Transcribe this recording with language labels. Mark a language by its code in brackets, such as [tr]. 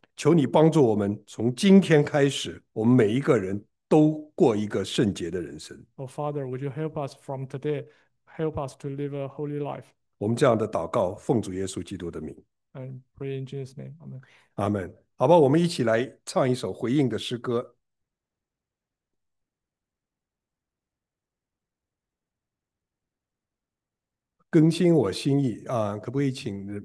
[zh] 求你帮助我们，从今天开始，我们每一个人都过一个圣洁的人生。 [en] Oh Father, would you help us from today? Help us to live a holy life. [zh] 我们这样的祷告，奉主耶稣基督的名。 [en] And pray in Jesus' name. Amen. [zh] 阿门。好吧，我们一起来唱一首回应的诗歌。更新我心意啊，可不可以请？